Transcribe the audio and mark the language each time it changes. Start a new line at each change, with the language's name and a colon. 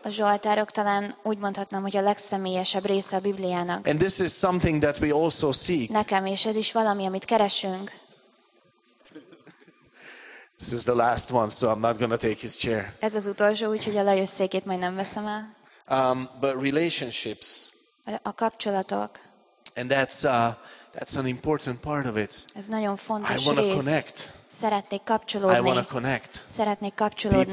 Hungarian: A zsoltárok talán úgy mondhatnám, hogy a legszemélyesebb része a Bibliának.
English: And this is something that we also seek.
Hungarian: Nekem is ez is valami, amit keresünk.
English: This is the last one, so I'm not going to take his chair.
Hungarian: Ez az utolsó, úgyhogy a Lajos székét majd nem veszem el.
English: But relationships.
Hungarian: A kapcsolatok.
English: And that's an important part of it.
Hungarian: Ez nagyon fontos rész.
English: I want to connect.
Hungarian: Szeretnék kapcsolódni.
English: I want to connect.
Hungarian: Szeretnék kapcsolódni